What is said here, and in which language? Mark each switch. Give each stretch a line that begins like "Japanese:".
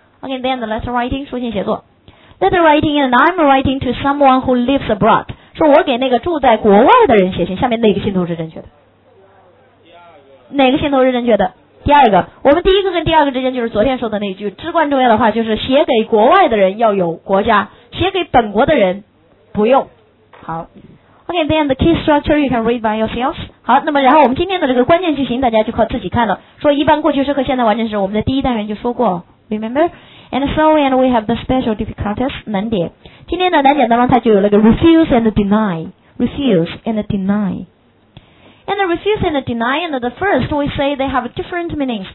English: OK， then the letter writing
Chinese: 书信写作。
English: letter writing， and I'm writing to someone who lives abroad，
Chinese: 说我给那个住在国外的人写信，下面哪个信徒是正确的？哪个信徒是正确的？第二个。我们第一个跟第二个之间就是昨天说的那句至关重要的话，就是写给国外的人要有国家，写给本国的人不用。好，
English: OK, then the key structure you can read by yourself.
Chinese: 好，那么然后我们今天的这个关键句型大家就靠自己看了，说一般过去式和现在完成时，我们的第一单元就说过， Remember?
English: And so and we have the special difficulties 难点。 今天的难点当中它就有那个 refuse and deny, refuse and denyAnd the refuse and the deny, and the first, we say they have different meanings.